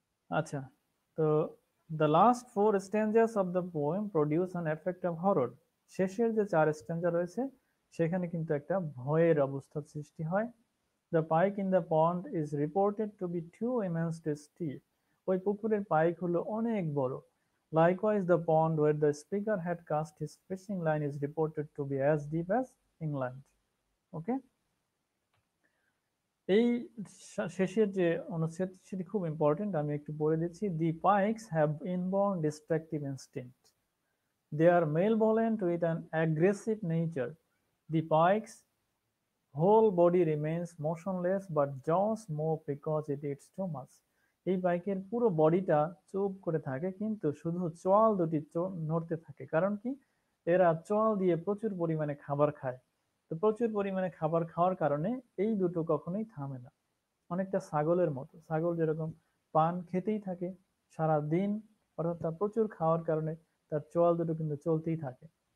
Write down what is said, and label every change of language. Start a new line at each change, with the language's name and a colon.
Bangla: আচ্ছা, তো
English: The last 4 stanzas of the poem produce an effect of horror.
Bangla: শেষের যে 4 স্ট্যাঞ্জা রয়েছে সেখানে কিন্তু একটা ভয়ের অবস্থা সৃষ্টি হয়।
English: The pike in the pond is reported to be too immense to still.
Bangla: ওই পুকুরের পাইক হলো অনেক বড়।
English: Likewise, the pond where the speaker had cast his fishing line is reported to be as deep as England. Okay?
Bangla: এই শেষের যে অনুচ্ছেদ সেটি খুব ইম্পর্টেন্ট, আমি একটু বলে দিচ্ছি।
English: The pikes have inborn destructive instinct. They are malevolent with an aggressive nature. The pike's whole body remains motionless, but jaws move because it eats too much.
Bangla: এই পাইকের পুরো বডিটা চুপ করে থাকে, কিন্তু শুধু চোয়াল দুটি নড়তে থাকে। কারণ কি? এরা চোয়াল দিয়ে প্রচুর পরিমাণে খাবার খায়। তো প্রচুর পরিমাণে খাবার খাওয়ার কারণে এই দুটো কখনোই থামে না, অনেকটা ছাগলের মতো। ছাগল যেরকম পান খেতেই থাকে সারা দিন, অর্থাৎ তার প্রচুর খাওয়ার কারণে তার চোয়াল দুটো কিন্তু চলতেই থাকে।